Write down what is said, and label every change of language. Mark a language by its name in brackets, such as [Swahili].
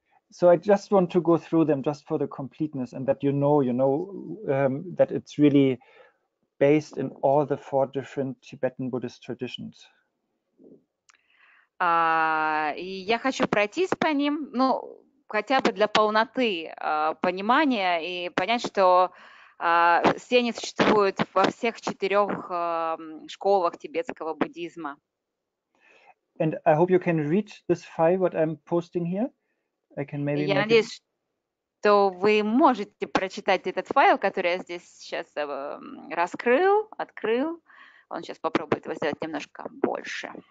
[English] So I just want to go through them just for the completeness and that you know, that it's really based in all the four different Tibetan Buddhist traditions. [Russian] И я хочу пройтись по ним, ну, хотя бы для полноты понимания и понять, что все они существуют во всех четырех школах тибетского буддизма. [English] And I hope you can read this file, what I'm posting here. I can maybe [Russian] я надеюсь, что вы можете прочитать этот файл, который я здесь сейчас открыл. Он сейчас попробует его сделать немножко больше.